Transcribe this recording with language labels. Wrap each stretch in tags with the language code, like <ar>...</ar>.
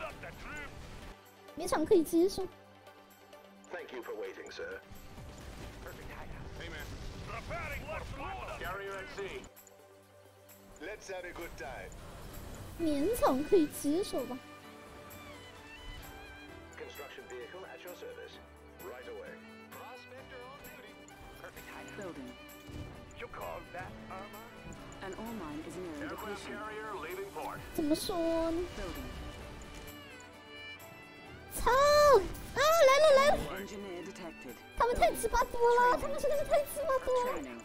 <zh>来了！我操！完蛋！这波偷家偷了个鸡巴，偷了个超啊！算了算了，也还好吧，勉强可以接受，勉强可以接受。</zh> <en>Thank you for waiting, sir. Perfect hideout. Hey, man. Preparing for battle. Carrier at sea. Let's have a good time.</en> <zh>勉强可以接受吧。</zh> <en>Construction vehicle at your service. Right away. Prospector on duty. Perfect hideout. Building. You call that armor? An ore mine is near location. Aircraft carrier leaving port.</en> <zh>怎么说呢?</zh> <en>Building.</en> <zh>操！啊，来了来了！他们太鸡巴多了，他们真的是太鸡巴多了。</zh>